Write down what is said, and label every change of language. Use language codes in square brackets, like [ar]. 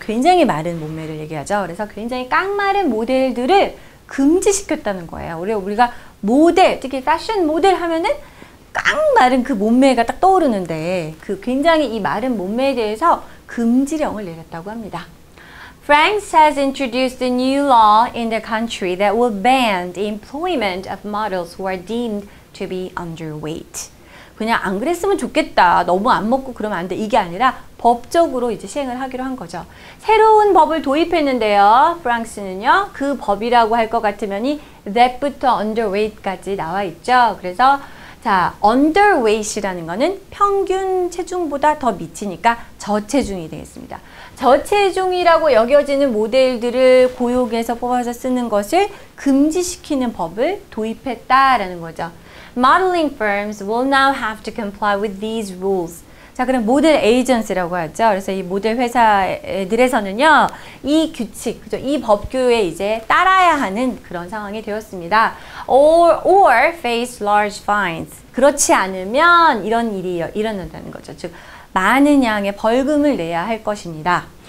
[ko] 굉장히 마른 몸매를 얘기하죠. 그래서 굉장히 깡마른 모델들을 금지시켰다는 거예요. 우리가 모델, 특히 패션 모델 하면은 깡마른 그 몸매가 딱 떠오르는데 그 굉장히 이 마른 몸매에 대해서 금지령을 내렸다고 합니다. [en] France has introduced a new law in the country that will ban the employment of models who are deemed to be underweight. [ko] 그냥 안 그랬으면 좋겠다. 너무 안 먹고 그러면 안 돼. 이게 아니라 법적으로 이제 시행을 하기로 한 거죠. 새로운 법을 도입했는데요. 프랑스는요. 그 법이라고 할 것 같으면 이 that부터 underweight까지 나와 있죠. 그래서 자, underweight이라는 거는 평균 체중보다 더 밑이니까 저체중이 되겠습니다. 저체중이라고 여겨지는 모델들을 고용해서 뽑아서 쓰는 것을 금지시키는 법을 도입했다라는 거죠. [en] Modeling firms will now have to comply with these rules. [ko] 자, 그럼 모델 에이전시라고 하죠. 그래서 이 모델 회사들에서는요, 이 규칙, 그죠? 이 법규에 이제 따라야 하는 그런 상황이 되었습니다. [en] Or face large fines. [ko] 그렇지 않으면 이런 일이 일어난다는 거죠. 즉, 많은 양의 벌금을 내야 할 것입니다.